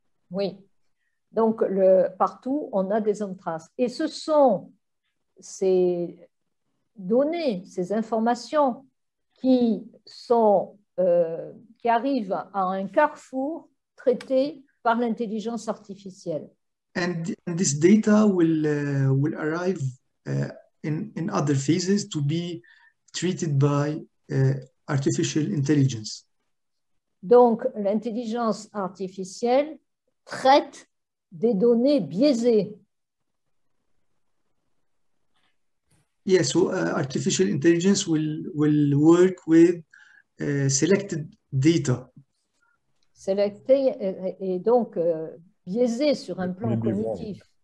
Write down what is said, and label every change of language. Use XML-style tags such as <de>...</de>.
<fr>Oui, donc partout on a des hommes traces. Et ce sont ces données, ces informations qui sont qui arrivent à un carrefour traité par l'intelligence artificielle.</fr> <en>And this data will arrive in other phases to be treated by artificial intelligence.</en> <fr>Donc l'intelligence artificielle traite des données biaisées.</fr> <en>Yes, so artificial intelligence will work with selected data.</en> <fr>Selecté et donc biaisé sur un plan cognitif.</fr>